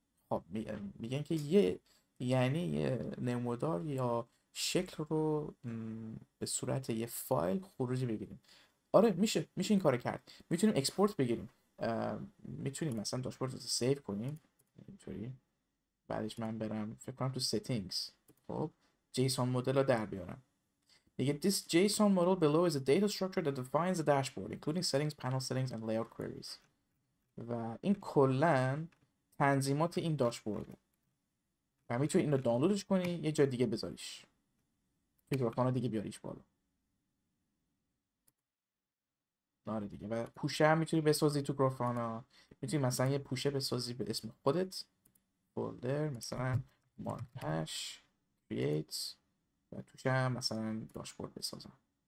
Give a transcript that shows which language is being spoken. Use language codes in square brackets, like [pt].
[fa] خب میگن که یه یعنی یه نمودار یا شکل رو به صورت یه فایل خروجی بگیریم. آره میشه این کار کرد، میتونیم اکسپورت بگیریم، میتونیم مثلا داشبورد رو سیو کنیم اینطوری، بعدش من برم فکر کنم تو سیتینگز، خب JSON مدل رو در بیارم. میگه [en] this JSON model below is a data structure that defines the dashboard including settings, panel settings and layout queries. [fa] و این کلن تنظیمات این داشبورد و میتونی این رو دانلودش کنی یه جا دیگه بذاریش توی گرافان دیگه بیاریش بالا. آره دیگه. و پوشه هم میتونی بسازی تو گرافان ها، میتونی مثلا یه پوشه بسازی به اسم خودت، folder مثلا mark hash create و توش هم مثلا داشبورد بسازم.